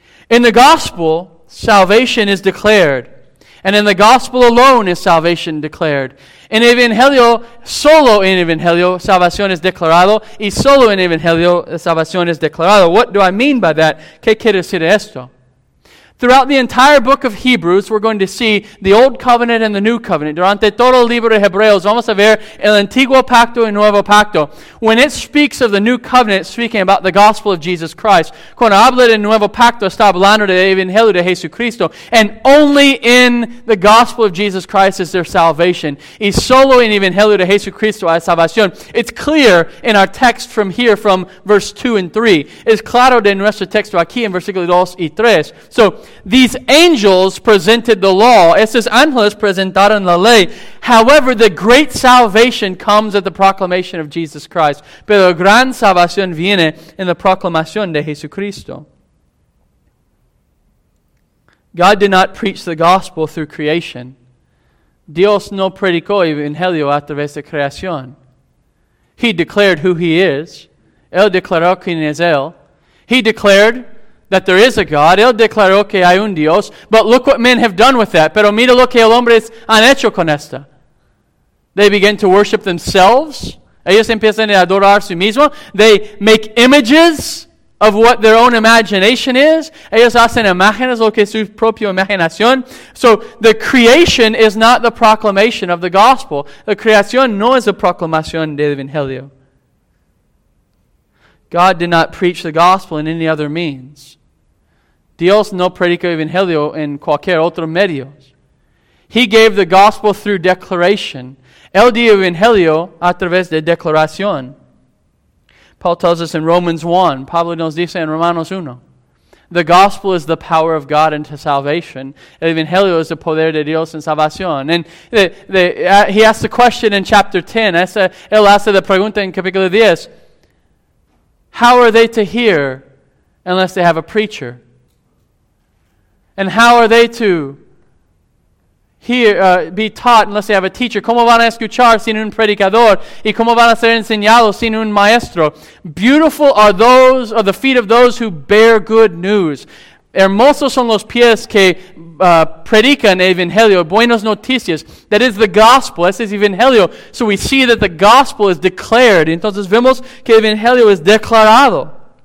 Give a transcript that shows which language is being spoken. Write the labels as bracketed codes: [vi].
[en] In the gospel, salvation is declared. And in the gospel alone is salvation declared. [es] En evangelio, solo en evangelio, salvación es declarado. Y solo en evangelio, salvación es declarado. [en] What do I mean by that? [es] ¿Qué quiere decir esto? [en] Throughout the entire book of Hebrews, we're going to see the Old Covenant and the New Covenant. [es] Durante todo el libro de Hebreos, vamos a ver el Antiguo Pacto y Nuevo Pacto. [en] When it speaks of the New Covenant, speaking about the Gospel of Jesus Christ. [es] Cuando habla del Nuevo Pacto, está hablando del Evangelio de Jesucristo. [en] And only in the Gospel of Jesus Christ is there salvation. [es] Y solo en Evangelio de Jesucristo hay salvación. [en] It's clear in our text from here, from verse 2 and 3. [es] Es claro de nuestro texto aquí en versículos 2 y 3. [en] So, these angels presented the law. [es] Esos ángeles presentaron la ley. [en] However, the great salvation comes at the proclamation of Jesus Christ. [es] Pero la gran salvación viene en la proclamación de Jesucristo. [en] God did not preach the gospel through creation. [es] Dios no predicó el evangelio a través de creación. [en] He declared who He is. [es] Él declaró quién es Él. [en] He declared that there is a God. [es] Él declaró que hay un Dios. [en] But look what men have done with that. [es] Pero mira lo que el hombre han hecho con esta. [en] They begin to worship themselves. [es] Ellos empiezan a adorar a sí mismo. [en] They make images of what their own imagination is. [es] Ellos hacen imágenes, lo que es su propia imaginación. [en] So the creation is not the proclamation of the gospel. [es] La creación no es la proclamación del evangelio. [en] God did not preach the gospel in any other means. [es] Dios no predicó el evangelio en cualquier otro medio. [en] He gave the gospel through declaration. [es] Él dio el evangelio a través de declaración. [en] Paul tells us in Romans 1, [es] Pablo nos dice en Romanos 1, [en] the gospel is the power of God unto salvation. [es] El evangelio es el poder de Dios en salvación. [en] And he asks the question in chapter 10. [es] Él hace la pregunta en capítulo 10. [en] How are they to hear unless they have a preacher? And how are they to be taught unless they have a teacher? [es] ¿Cómo van a escuchar sin un predicador? ¿Y cómo van a ser enseñados sin un maestro? [en] Beautiful are the feet of those who bear good news. [es] Hermosos son los pies que predican el evangelio. Buenas noticias. [en] That is the gospel. [es] Ese es el evangelio. [en] So we see that the gospel is declared. [es] Entonces vemos que el evangelio es declarado.